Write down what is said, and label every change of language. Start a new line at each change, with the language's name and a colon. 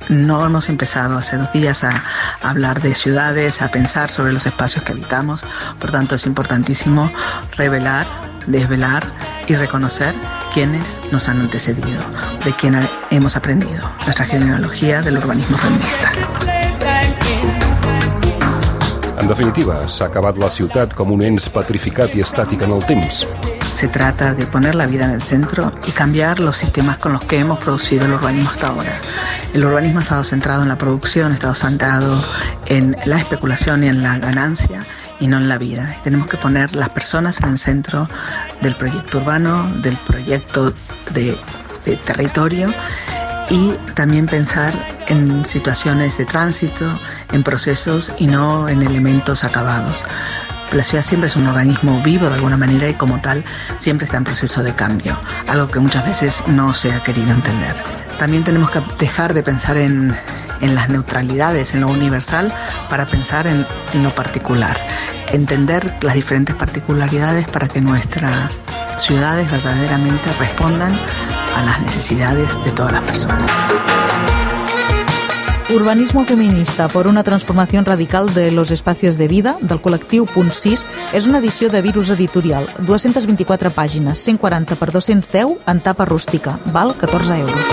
Spanish: No hemos empezado hace dos días a hablar de ciudades, a pensar sobre los espacios que habitamos. Por tanto, es importantísimo revelar, desvelar y reconocer quiénes nos han antecedido, de quién hemos aprendido, nuestra genealogía del urbanismo feminista.
Catalan: En definitiva, s'ha acabat la ciutat com un ens petrificat i estàtic en el temps.
Spanish: Se trata de poner la vida en el centro y cambiar los sistemas con los que hemos producido el urbanismo hasta ahora. El urbanismo ha estado centrado en la producción, ha estado centrado en la especulación y en la ganancia y no en la vida. Y tenemos que poner las personas en el centro del proyecto urbano, del proyecto de territorio, y también pensar en situaciones de tránsito, en procesos y no en elementos acabados. La ciudad siempre es un organismo vivo de alguna manera y como tal siempre está en proceso de cambio, algo que muchas veces no se ha querido entender. También tenemos que dejar de pensar en las neutralidades, en lo universal, para pensar en lo particular. Entender las diferentes particularidades para que nuestras ciudades verdaderamente respondan a las necesidades de todas las personas.
Catalan: Urbanismo feminista por una transformación radical de los espacios de vida, del col·lectiu Punt 6, és una edició de Virus Editorial, 224 pàgines, 140x210, en tapa rústica, val 14 €.